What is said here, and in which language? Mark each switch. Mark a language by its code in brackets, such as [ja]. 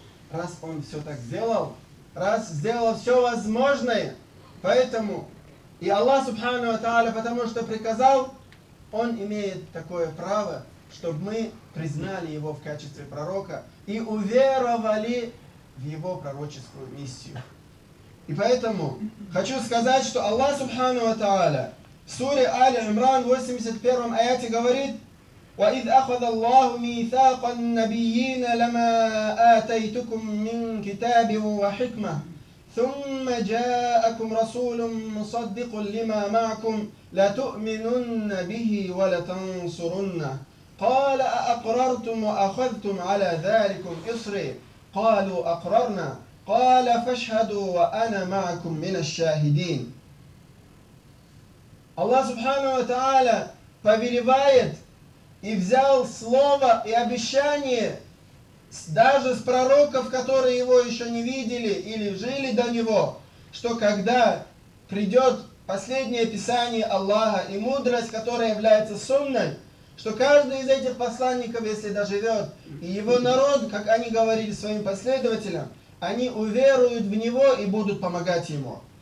[ru] Раз он все так сделал, раз сделал все возможное, поэтому и Аллах Субхану ва Тааля, потому что приказал, он имеет такое право, чтобы мы признали его в качестве пророка и уверовали в его пророческую миссию. И поэтому хочу сказать, что Аллах Субхану ва Тааля в суре Аль-Имран 81 аяте говорит: [ar] وَإِذْ أَخَذَ اللَّهُ مِيثَاقَ النَّبِيِّينَ لَمَا آتَيْتُكُم مِّن كِتَابٍ وَحِكْمَةٍ ثم جاءكم رسول مصدق لما معكم لتؤمنن به ولتنصرنه قال أأقررتم وأخذتم على ذلكم إصري قالوا أقررنا قال فاشهدوا وأنا معكم من الشاهدين. الله سبحانه وتعالى [ru] повелевает и взял слово и обещание даже с пророков, которые его еще не видели или жили до него, что когда придет последнее писание Аллаха и мудрость, которая является сунной, что каждый из этих посланников, если доживет, и его народ, как они говорили своим последователям, они уверуют в него и будут помогать ему.